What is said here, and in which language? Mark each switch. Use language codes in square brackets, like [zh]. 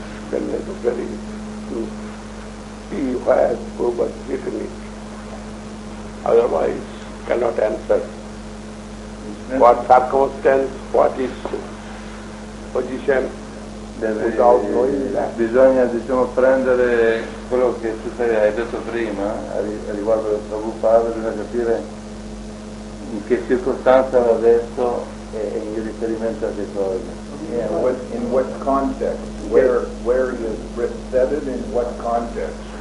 [en] Then they were ready to see where Prabhupada has written it. Otherwise, cannot answer. What circumstance, what is position, without knowing that. [it] Bisogna, diciamo, prendere quello che tu hai detto prima, riguardo a Prabhupada, bisogna capire in che circostanza l'ha detto e in riferimento a che cosa. [en] In what context? Where he has said it, in what context?